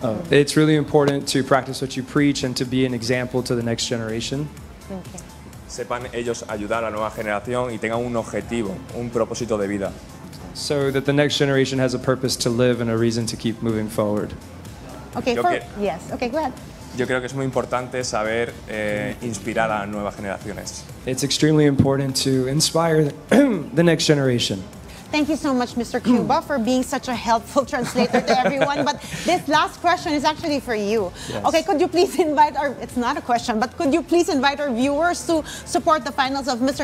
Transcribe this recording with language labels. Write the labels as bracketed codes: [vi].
[en] It's really important to practice what you preach and to be an example to the next generation. [es] Sepan ellos ayudar a la nueva generación y tengan un objetivo, un propósito de vida. [en] So that the next generation has a purpose to live and a reason to keep moving forward. Okay, go ahead. [es] Yo creo que es muy importante saber inspirar a nuevas generaciones. [en] It's extremely important to inspire the next generation. Thank you so much, Mr. Cuba, for being such a helpful translator to everyone. But this last question is actually for you. Yes. Okay, could you please invite our, it's not a question, but could you please invite our viewers to support the finals of Mr.